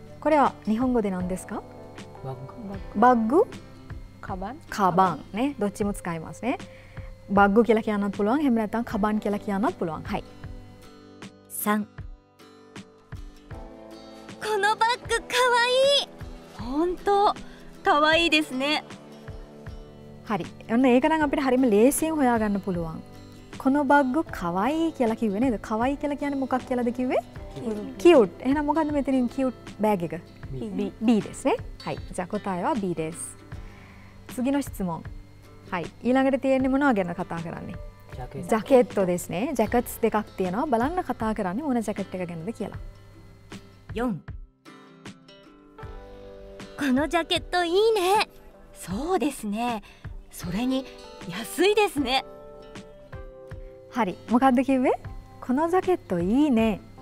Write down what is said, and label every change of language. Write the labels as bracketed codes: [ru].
[ja] これ は 日本語で 何 ですか? バッグ. カバン. ね、 どっちも 使います ね. [si] バッグ කියලා කියන්නත් පුළුවන්, එහෙම නැත්නම් カバン කියලා කියන්නත් පුළුවන්. [ja] はい. 3. このバッグかわいい. 本当かわいいですね. [si] හරි. ඔන්න ඒක නම් අපිට හරියම ලේසියෙන් හොයාගන්න පුළුවන්. [ja] このバッグかわいい [si] කියලා කිව්වේ නේද? かわいい කියලා කියන්නේ මොකක් කියලාද කිව්වේ? කියුට්. එහෙනම් මොකද්ද මෙතනින් කියුට් බෑග් එක? B [ja] です ね.はい.じゃあ答えは B です.次の 質問.はい. [si] ඊළඟට තියෙන්නේ මොනවා ගැන කතා කරන්නේ? ජැකට් [ja] です ね. [si] ජැකට්ස් දෙකක් තියෙනවා. බලන්න කතා කරන්නේ මොන ජැකට් එක ගැනද කියලා. [ja] 4. このジャケットいいね. そう です ね.それに安い です ね. はい. [si] මොකද්ද කිව්වේ? [ja] このジャケットいいね.